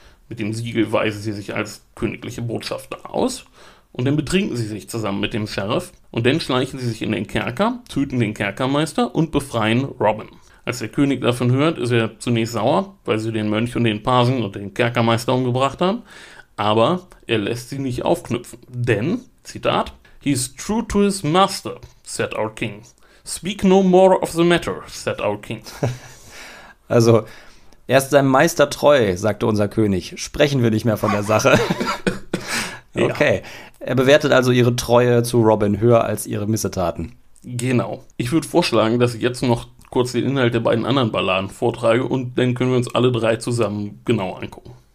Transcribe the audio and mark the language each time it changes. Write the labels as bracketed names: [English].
[German] Mit dem Siegel weisen sie sich als königliche Botschafter aus und dann betrinken sie sich zusammen mit dem Sheriff und dann schleichen sie sich in den Kerker, töten den Kerkermeister und befreien Robin. Als der König davon hört, ist er zunächst sauer, weil sie den Mönch und den Pagen und den Kerkermeister umgebracht haben, aber er lässt sie nicht aufknüpfen, denn, Zitat, [English] He's true to his master, said our king. Speak no more of the matter, said our king. [German] Also, er ist seinem Meister treu, sagte unser König. Sprechen wir nicht mehr von der Sache. Okay, ja. Er bewertet also ihre Treue zu Robin höher als ihre Missetaten. Genau. Ich würde vorschlagen, dass ich jetzt noch kurz den Inhalt der beiden anderen Balladen vortrage und dann können wir uns alle drei zusammen genau angucken.